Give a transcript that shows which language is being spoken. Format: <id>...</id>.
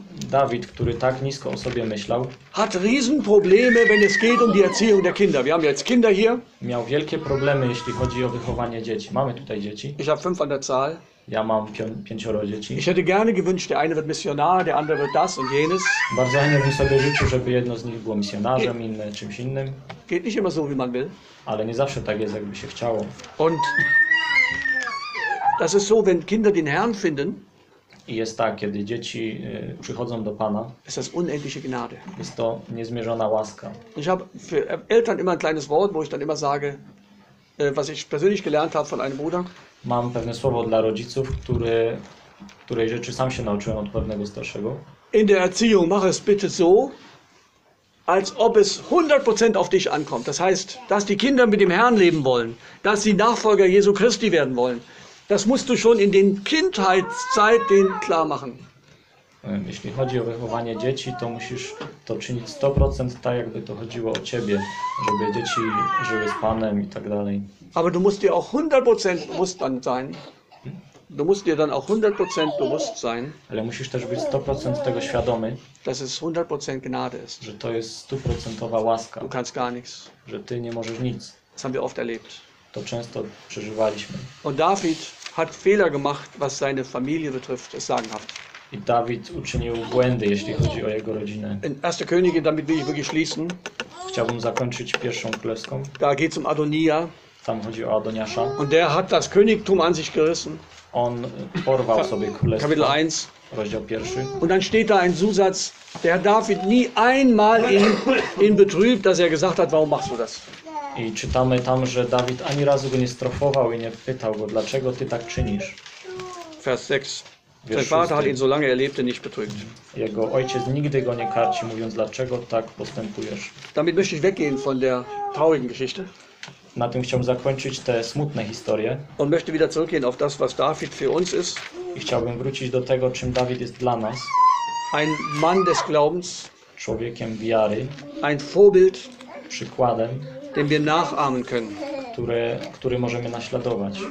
<pl>Dawid, który tak nisko o sobie myślał,</pl> <de>hat Riesenprobleme, wenn es geht um die Erziehung der Kinder. Wir haben jetzt Kinder hier.</de> <pl>Miał wielkie problemy, jeśli chodzi o wychowanie dzieci. Mamy tutaj dzieci.</pl> <de>Ich habe 5 an der Zahl.</de> <pl>Ja mam 5 dzieci.</pl> <de>Ich hätte gerne gewünscht, der eine wird Missionar, der andere wird das und jenes.</de> <pl>Bardzo chętnie bym sobie życzył, żeby jedno z nich było misjonarzem, inne czymś innym.</pl> <de>Geht nicht immer so, wie man will.</de> <pl>Ale nie zawsze tak jest, jakby się chciało.</pl> <de>Und das ist so, wenn Kinder den Herrn finden.</de> <pl>I jest tak, kiedy dzieci przychodzą do Pana.</pl> <de>Es ist unendliche Gnade.</de> <pl>Jest to niezmierzona łaska.</pl> <de>Ich habe für Eltern immer ein kleines Wort, wo ich dann immer sage, was ich persönlich gelernt habe von einem Bruder.</de> <pl>Mam pewne słowo dla rodziców, której rzeczy sam się nauczyłem od pewnego starszego.</pl> <de>In der Erziehung mach es bitte so, als ob es 100% auf dich ankommt. Das heißt, dass die Kinder mit dem Herrn leben wollen, dass sie Nachfolger Jesu Christi werden wollen. Das musst du schon in den Kindheitszeit den klar machen.</de> <pl>Jeśli chodzi o wychowanie dzieci, to musisz to czynić 100% tak, jakby to chodziło o ciebie, żeby dzieci żyły z Panem i tak dalej.</pl> <de>Aber du musst dir auch 100% bewusst dann sein. Du musst dir dann auch 100% bewusst sein.</de> <pl>Ale musisz też być 100% tego świadomy.</pl> <de>Dass es 100% Gnade ist.</de> <pl>Że to jest 100% łaska.</pl> <de>Du kannst gar nichts.</de> <pl>Że ty nie możesz nic.</pl> <de>Das haben wir oft erlebt.</de> <pl>To często przeżywaliśmy.</pl> <de>Und David hat Fehler gemacht, was seine Familie betrifft, ist sagenhaft.</de> <pl>I Dawid uczynił błędy, jeśli chodzi o jego rodzinę.</pl> <de>In 1. Könige, damit will ich wirklich schließen.</de> <pl>Chciałbym zakończyć pierwszą Królewską.</pl> <de>Da geht's um Adonia.</de> <pl>Tam chodzi o Adoniasza.</pl> <de>Und der hat das Königtum an sich gerissen.</de> <pl>On porwał sobie Królestwo.</pl> <de>Kapitel 1.</de> <pl>Rozdział 1.</pl> <de>Und dann steht da ein Zusatz, der hat David nie einmal ihn betrübt, dass er gesagt hat, warum machst du das?</de> <pl>I czytamy tam, że Dawid ani razu go nie strofował i nie pytał go, dlaczego ty tak czynisz?</pl> <de>Vers 6. Sein Vater hat ihn so lange erlebte nicht betrügt.</de> <pl>Jego ojciec nigdy go nie karci, mówiąc, dlaczego tak postępujesz.</pl> <de>Damit möchte ich weggehen von der traurigen Geschichte.</de> <pl>Na tym chciałbym zakończyć te smutne historie.</pl> <de>Und möchte wieder zurückgehen auf das, was David für uns ist.</de> <pl>I chciałbym wrócić do tego, czym Dawid jest dla nas.</pl> <de>Ein Mann des Glaubens.</de> <pl>Człowiekiem wiary.</pl> <de>Ein Vorbild.</de> <pl>Przykładem.</pl> <de>Den wir nachahmen können.</de> <pl>Który możemy naśladować.</pl>